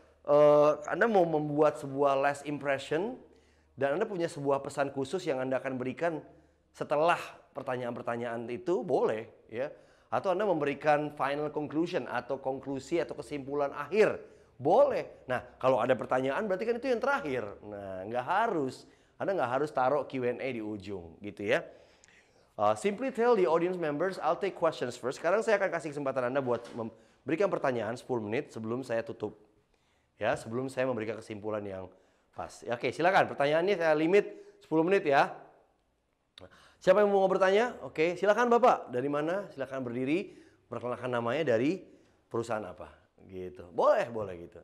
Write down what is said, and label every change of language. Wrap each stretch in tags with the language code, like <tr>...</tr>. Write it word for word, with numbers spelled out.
<id>Uh, Anda mau membuat sebuah</id> <en>last impression</en> <id>dan Anda punya sebuah pesan khusus yang Anda akan berikan setelah pertanyaan-pertanyaan itu, boleh ya. Atau Anda memberikan</id> <en>final conclusion</en> <id>atau konklusi atau kesimpulan akhir, boleh. Nah, kalau ada pertanyaan berarti kan itu yang terakhir. Nah, nggak harus, Anda nggak harus taruh Q and A di ujung gitu ya.</id> <en>Uh, simply tell the audience members, I'll take questions first.</en> <id>Sekarang saya akan kasih kesempatan Anda buat memberikan pertanyaan sepuluh menit sebelum saya tutup. Ya, sebelum saya memberikan kesimpulan yang pas. Ya, oke, silakan. Pertanyaannya saya limit sepuluh menit ya. Siapa yang mau bertanya? Oke, silakan Bapak. Dari mana? Silakan berdiri. Perkenalkan namanya, dari perusahaan apa? Gitu. Boleh, boleh gitu.</id>